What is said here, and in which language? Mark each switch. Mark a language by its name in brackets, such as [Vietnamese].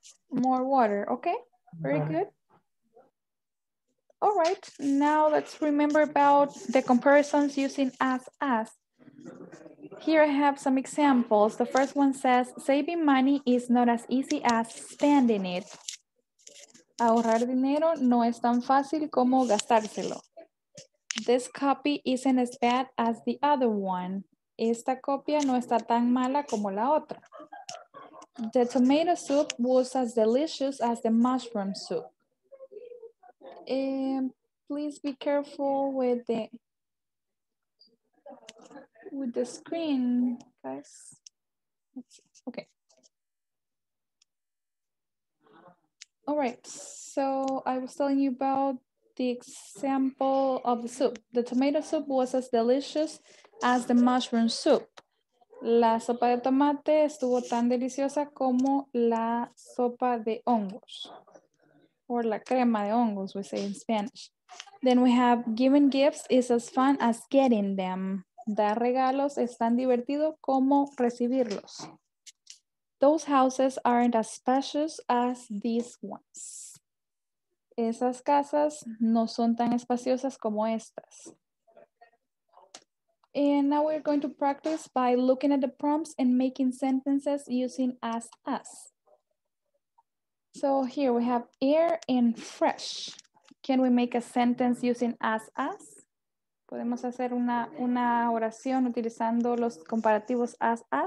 [English] More water, okay, very good. All right, now let's remember about the comparisons using as. Here I have some examples. The first one says, saving money is not as easy as spending it. [Spanish] Ahorrar dinero no es tan fácil como gastárselo. [English] This copy isn't as bad as the other one. [Spanish] Esta copia no está tan mala como la otra. [English] The tomato soup was as delicious as the mushroom soup. Please be careful with the screen, guys. Okay. All right, so I was telling you about the example of the soup. The tomato soup was as delicious as the mushroom soup. [Spanish] La sopa de tomate estuvo tan deliciosa como la sopa de hongos. [English] Or [Spanish] la crema de hongos, [English] we say in Spanish. Then we have giving gifts is as fun as getting them. [Spanish] Dar regalos es tan divertido como recibirlos. [English] Those houses aren't as spacious as these ones. [Spanish] Esas casas no son tan espaciosas como estas. [English] And now we're going to practice by looking at the prompts and making sentences using as. So here we have air and fresh. Can we make a sentence using as? [Spanish] ¿Podemos hacer una oración utilizando los comparativos as?